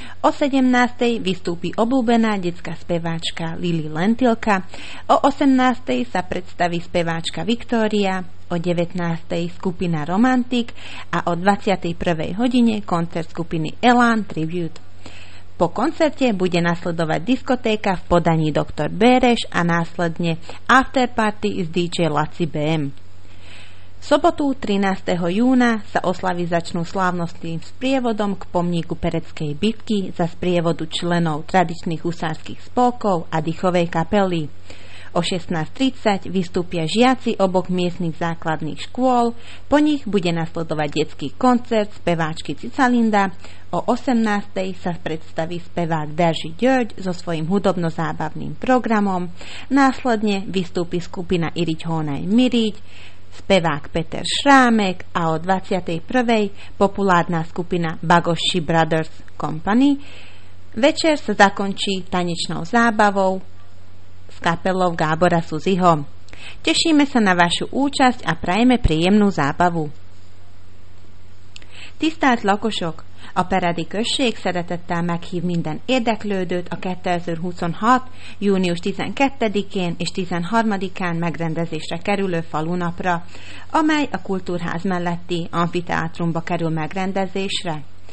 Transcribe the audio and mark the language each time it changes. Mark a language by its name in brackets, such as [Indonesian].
[Slovak] O 17.00 vystúpi obľúbená detská speváčka Lili Lentilka, o 18.00 sa predstaví speváčka Viktória, o 19.00 skupina Romantik a o 21.00 hodine koncert skupiny Elan Tribute. Po koncerte bude nasledovať diskotéka v podaní Dr. Béreš a následne afterparty s DJ Laci BM. V sobotu 13. júna sa oslavy začnú slávnostným sprievodom k pomníku pereckej bitky za sprievodu členov tradičných husárskych spolkov a dychovej kapely. O 16.30 vystúpia žiaci obok miestnych základných škôl, po nich bude nasledovať detský koncert speváčky Cicalinda, o 18.00 sa predstaví spevák Daži Ďoď so svojím hudobno-zábavným programom, následne vystúpi skupina Iriť Honaj Miriť, spevák Peter Šrámek a o 21.00 populárna skupina Bagoši Brothers Company. Večer sa zakončí tanečnou zábavou s kapelou Gábora Suziho. Tešíme sa na vašu účasť a prajeme príjemnú zábavu. [Hungarian] Tisztelt lakosok! A Peradi község szeretettel meghív minden érdeklődőt a 2026. június 12-én és 13-án megrendezésre kerülő falunapra, amely a kultúrház melletti amfiteátrumba kerül megrendezésre.